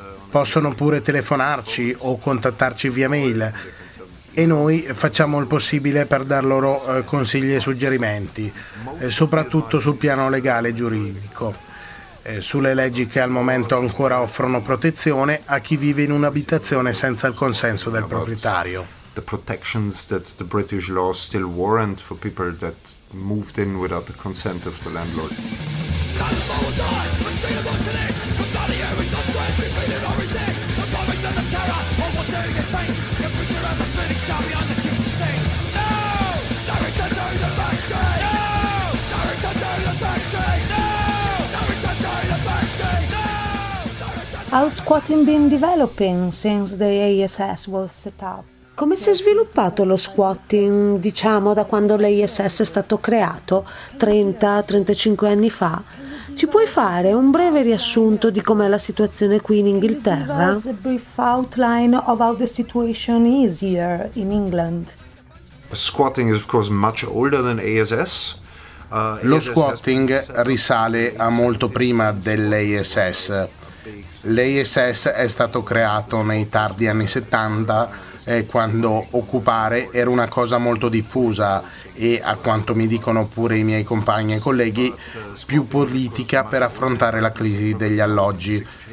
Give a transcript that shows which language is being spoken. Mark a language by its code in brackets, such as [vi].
[it] Possono pure telefonarci o contattarci via mail e noi facciamo il possibile per dar loro consigli e suggerimenti, soprattutto sul piano legale e giuridico, sulle leggi che al momento ancora offrono protezione a chi vive in un'abitazione senza il consenso del proprietario. [en] The protections that the British law still warrant for people that moved in without the consent of the landlord. How's squatting been developing since the ASS was set up? [it] Come si è sviluppato lo squatting, diciamo, da quando l'ASS è stato creato, 30-35 anni fa? Ci puoi fare un breve riassunto di com'è la situazione qui in Inghilterra? [en] A brief outline of how the situation is here in England. Squatting is of course much older than ASS. [it] Lo squatting risale a molto prima dell'ASS. L'ASS è stato creato nei tardi anni 70, quando occupare era una cosa molto diffusa e, a quanto mi dicono pure i miei compagni e colleghi, più politica per affrontare la crisi degli alloggi.